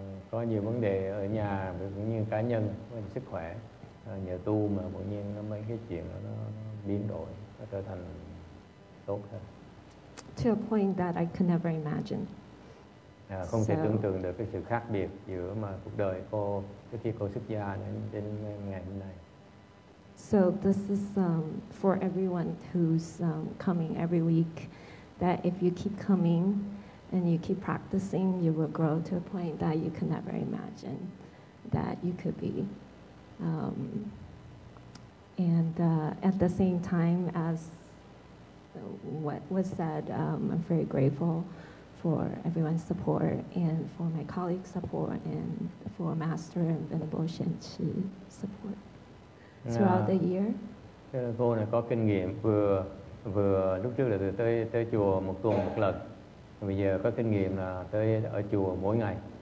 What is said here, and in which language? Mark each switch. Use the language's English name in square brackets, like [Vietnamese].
[Vietnamese] Có nhiều vấn đề ở nhà cũng như cá nhân, sức khỏe nhờ tu mà bỗng nhiên nó mấy cái chuyện đó, nó biến đổi, nó trở thành tốt hơn. [English] To a point that I could never imagine. [Vietnamese] Không thể tưởng tượng được cái sự khác biệt giữa mà cuộc đời cô trước khi cô xuất gia đến ngày hôm nay. [English] So this is for everyone who's coming every week, that if you keep coming and you keep practicing, you will grow to a point that you could never imagine that you could be. And at the same time as what was said, I'm very grateful for everyone's support and for my colleagues' support and for Master and Venerable Shen Chi's support throughout the year. [Vietnamese] Cô này có kinh nghiệm vừa lúc trước là tới chùa một tuần một lần, bây giờ có kinh nghiệm là tới ở chùa mỗi ngày.